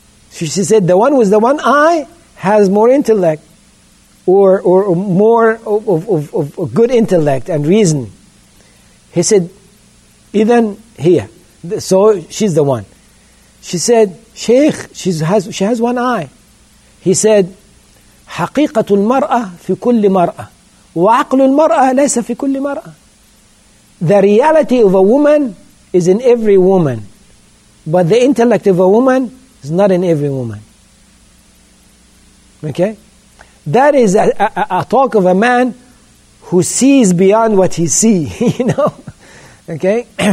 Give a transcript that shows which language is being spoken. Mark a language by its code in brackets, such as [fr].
[en] She said, the one with the one eye has more intellect. Or more of good intellect and reason. He said, even here. So she's the one. She said, Sheikh, she has one eye. He said, [ar] حقيقة المرأة في كل مرأة وعقل المرأة ليس في كل مرأة. [en] The reality of a woman is in every woman. But the intellect of a woman is not in every woman. Okay? That is a talk of a man who sees beyond what he sees, you know? Okay?